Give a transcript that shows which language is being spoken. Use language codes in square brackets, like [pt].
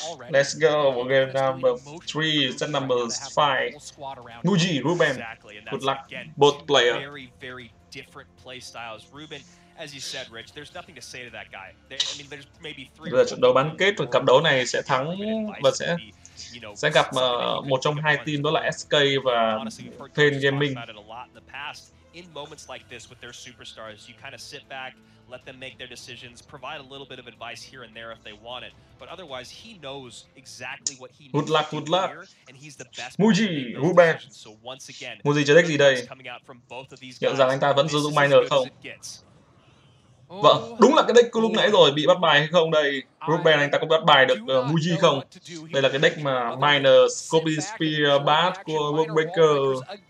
[en] Let's go, game number 3, set number 5. Mugi, Ruben. Good luck, both players. Very, very different play styles. Ruben. As you said, Rich, there's nothing to say to that guy. I mean, there's maybe three. [vi] Bây giờ trận đấu bán kết, cặp đấu này sẽ thắng và sẽ gặp một trong hai team, đó là SK và Pain Gaming. [en] In moments like this with their superstars, you kind of sit back, let them make their decisions, provide a little bit of advice here and there if they want it. But otherwise, he knows exactly what he needs. Good luck, and he's the best. Mugi, Ruben. So once again, [vi] Mugi chơi deck gì đây? Liệu rằng anh ta vẫn sử dụng Miner không? Vâng, đúng là cái deck lúc nãy rồi, bị bắt bài hay không đây? Ruben anh ta có bắt bài được Mugi không? Đây là cái deck mà Miner, Scorpion Spear, Bat của Workbreaker.